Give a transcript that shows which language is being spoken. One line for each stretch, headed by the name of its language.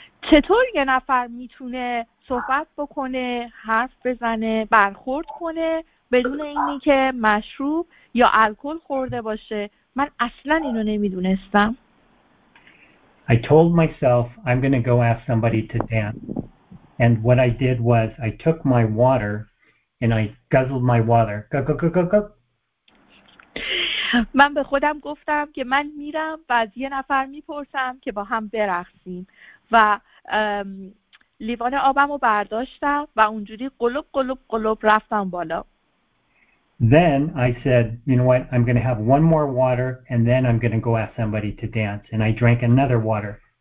Persian: چطور یه نفر میتونه صحبت بکنه، حرف بزنه، برخورد کنه بدون اینی که مشروب یا الکل خورده باشه؟ من اصلا اینو نمیدونستم.
English: I told myself I'm going to go ask somebody to dance. And what I did was I took my water and I guzzled my water. Go, go, go, go, go.
Persian: من به خودم گفتم که من میرم و از یه نفر میپرسم که با هم برقصیم و لیوان آبمو برداشتم و اونجوری قلوب قلوب قلوب رفتم بالا.
English: Then I said, you know what, I'm going to have one more water and then I'm going to go ask somebody to dance. And I drank another water.